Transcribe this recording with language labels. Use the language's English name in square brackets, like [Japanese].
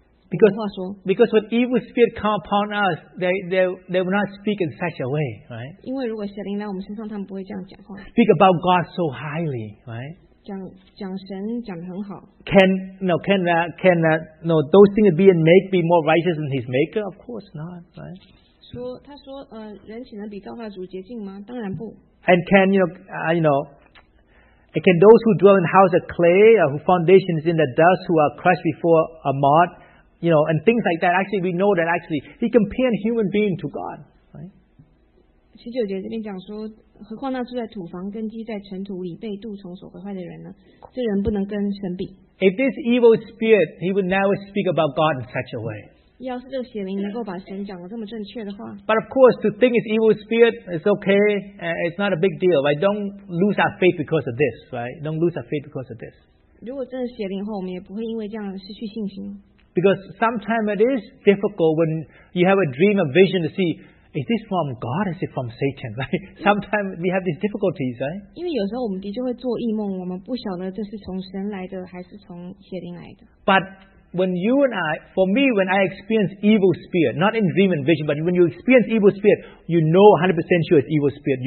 [English] Because when evil spirit come upon us, they will not speak in such a way, right? Speak about God so highly, right? [Chinese] 讲神讲得很好。 [English] Can those things be and make be more righteous than his maker? Of course not, right? [Chinese] 他说人岂能比造化主洁净吗？当然不。 [English] And can can those who dwell in house of clay or whose foundation is in the dust, who are crushed before a mod, you know, and things like that, actually we know that actually he compared human being to God, right? [Chinese] 19节这边讲说， 何况那住在土房根基在尘土里被蠹虫所毁坏的人呢？这人不能跟神比。 [English] If this evil spirit, he would never speak about God in such a way. [Chinese] 要是这邪灵能够把神讲得这么正确的话。 [English] But of course, to think it's evil spirit, it's okay, it's not a big deal. Right? Don't lose our faith because of this, right? Don't lose our faith because of this. [Chinese] 如果真的邪灵后，我们也不会因为这样失去信心。 [English] Because sometimes it is difficult when you have a dream, a vision to see, is this from God or is it from Satan? Sometimes we have these difficulties, right? But when you and I, for me, when I experience evil spirit, not in dream and vision, but when you experience evil spirit, you know 100% sure it's evil spirit.